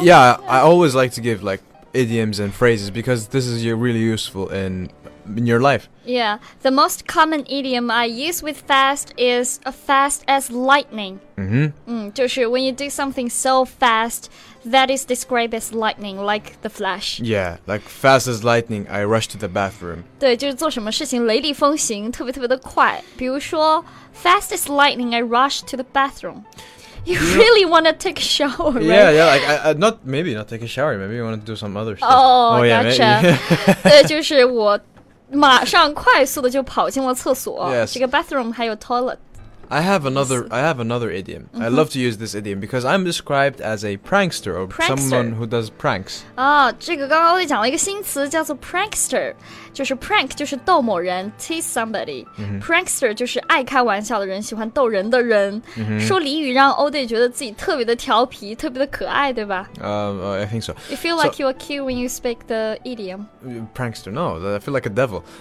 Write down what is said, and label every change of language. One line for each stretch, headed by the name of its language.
English: Yeah, I always like to give like. Idioms and phrases because this is really useful in your life. Yeah, the most common idiom I use with fast is a fast as lightning. Mm-hmm. Mm,
Chinese: 就是
English: when you do something so fast, that is described as lightning, like the flash. Yeah, like fast as lightning, I rush to the bathroom.
Chinese: 对，就是做什么事情雷厉风行，特别特别的快。比如说
English: fast as lightning, I rush to the bathroom. You really want to take a shower, right? Yeah, like, not take a shower, maybe you want to do some other stuff. Oh yeah, gotcha. Maybe.
Chinese: 对，就是我马上快速的就跑进了厕所。
English: Yes.
Chinese: 这个 bathroom 还有 toilet.
English: I have another idiom.、 Mm-hmm. I love to use this idiom because I'm described as a prankster or prankster. Someone who does pranks.
Chinese: 啊，这个刚刚我讲了一个新词叫做 prankster, 就是 prank 就是逗某人
English: tease somebody.、 Mm-hmm.
Chinese: Prankster 就是爱开玩笑的人，喜欢逗人的人。
English: Mm-hmm.
Chinese: 说俚语让 Oday 觉得自己特别的调皮，特别的可爱，对吧？
English: I think so. You feel like you are cute when you speak the idiom. Prankster, no, I feel like a devil.